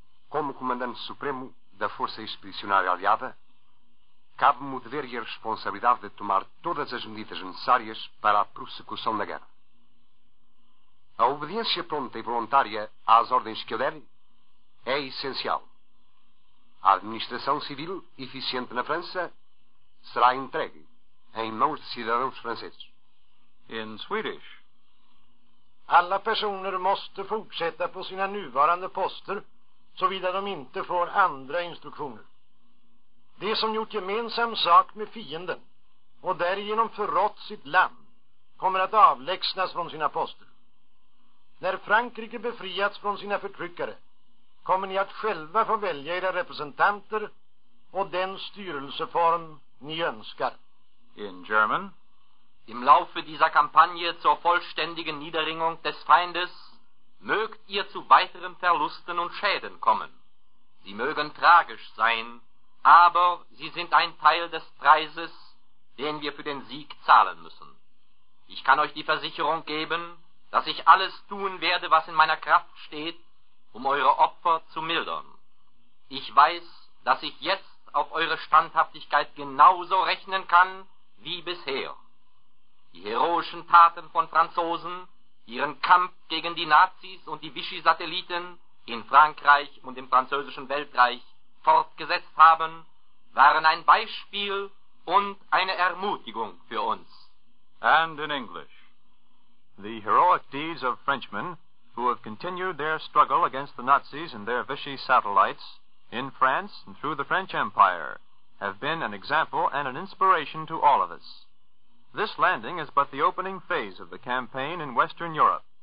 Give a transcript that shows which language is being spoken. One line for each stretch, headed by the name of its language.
Portuguese: Como comandante supremo da Força Expedicionária Aliada, cabe-me o dever e a responsabilidade de tomar todas as medidas necessárias para a prosecução da guerra. A obediência pronta e voluntária às ordens que eu der é essencial. A administração civil eficiente na França será entregue em mãos de cidadãos franceses.
English: In Swedish.
Swedish: Alla personer måste fortsätta på sina nuvarande poster såvida de inte får andra instruktioner. De som gjort gemensam sak med fienden och därigenom förrått sitt land kommer att avlägsnas från sina poster. När Frankrike befriats från sina förtryckare kommer ni att själva få välja era representanter och den styrelseform ni önskar.
English: In German.
German: Im Laufe dieser Kampagne zur vollständigen Niederringung des Feindes mögt ihr zu weiteren Verlusten und Schäden kommen. Sie mögen tragisch sein, aber sie sind ein Teil des Preises, den wir für den Sieg zahlen müssen. Ich kann euch die Versicherung geben, dass ich alles tun werde, was in meiner Kraft steht, um eure Opfer zu mildern. Ich weiß, dass ich jetzt auf eure Standhaftigkeit genauso rechnen kann wie bisher. Die heroischen Taten von Franzosen, ihren Kampf gegen die Nazis und die Vichy-Satelliten in Frankreich und im französischen Weltreich fortgesetzt haben, waren ein Beispiel und eine Ermutigung für uns.
English: And in English. The heroic deeds of Frenchmen, who have continued their struggle against the Nazis and their Vichy satellites, in France and through the French Empire, have been an example and an inspiration to all of us. This landing is but the opening phase of the campaign in Western Europe.